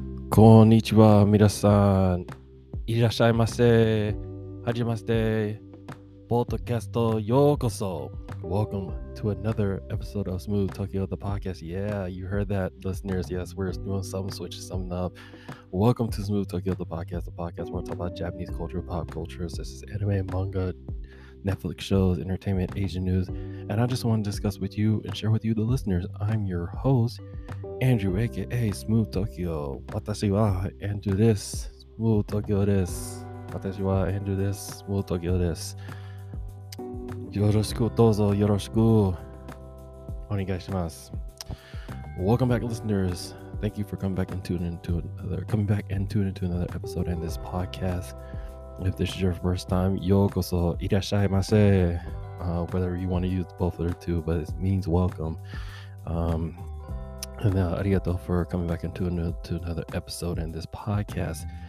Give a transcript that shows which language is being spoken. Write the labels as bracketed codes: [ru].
[ja] こんにちは、みなさん。いらっしゃいませ。はじめまして。ポッドキャストようこそ。 [en] Welcome to another episode of Smooth Tokyo, the podcast. Yeah, you heard that, listeners. Yes, we're doing some switch, something up. Welcome to Smooth Tokyo, the podcast where we talk about Japanese culture, pop culture, such as anime, manga, Netflix shows, entertainment, Asian news. And I just want to discuss with you and share with you, the listeners. I'm your host, Andrew, aka Smooth Tokyo. [ja] 私はアンドゥです。 Smooth Tokyo です。私はアンドゥです。 Smooth Tokyo です。よろしく、どうぞよろしく、お願いします。 [en] Welcome back, listeners. Thank you for coming back and tuning into another episode in this podcast. If this is your first time, [ja] ようこそいらっしゃいませ。 [en] Whether you want to use both or two, but it means welcome. And arigato for coming back into another episode in this podcast.